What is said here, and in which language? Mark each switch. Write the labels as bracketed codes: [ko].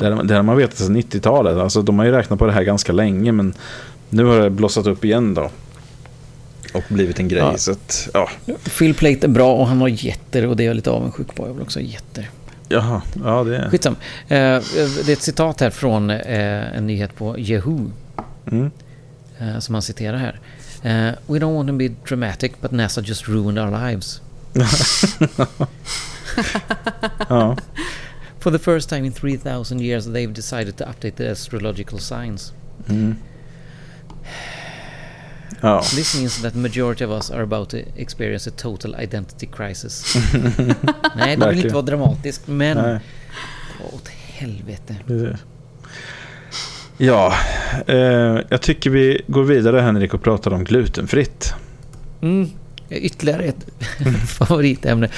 [sv] Det har man vetat sedan 90-talet. Alltså, de har ju räknat på det här ganska länge, men nu har det blossat upp igen då. Och blivit en grej. Ja. Så att, ja. Phil Plait är bra, och han har jätter, och det är jag lite avundsjuk på. Jag vill också ha jätter. Jaha, ja det är. Skitsam. Det är ett citat här från en nyhet på Yahoo. Som han citerar här. [en] We don't want to be dramatic, but NASA just ruined our lives. [sv] Ja. [en] For the first time in 3,000 years they've decided to update the astrological signs. Mm. Oh. This means that the majority of us are about to experience a total identity crisis. [sv] Nej, det vill inte vara dramatiskt, men åt helvete. Ja, jag tycker vi går vidare, Henrik, och pratar om glutenfritt. Mm. Ytterligare ett favoritämne.